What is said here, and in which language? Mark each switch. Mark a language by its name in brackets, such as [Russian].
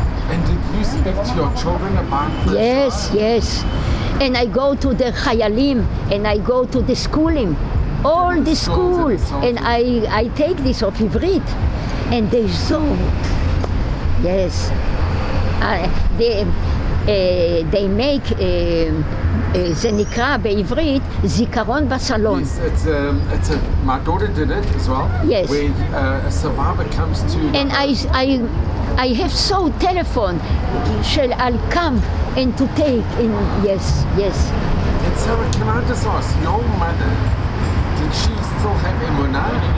[English] And did you speak to your children about this? Yes. And I go to the chayalim, and I go to the schooling, all the schools, and I take this of Ivrit, and they zoom. Yes. They make [Hebrew] זה נקרא בעברית זיכרון בסלון. [English] Yes, it's my daughter did it as well. Yes. When a survivor comes to. And I have so telephone, shall I'll come and to take in yes. And Sara, can I just ask your mother? Did she still have emunah?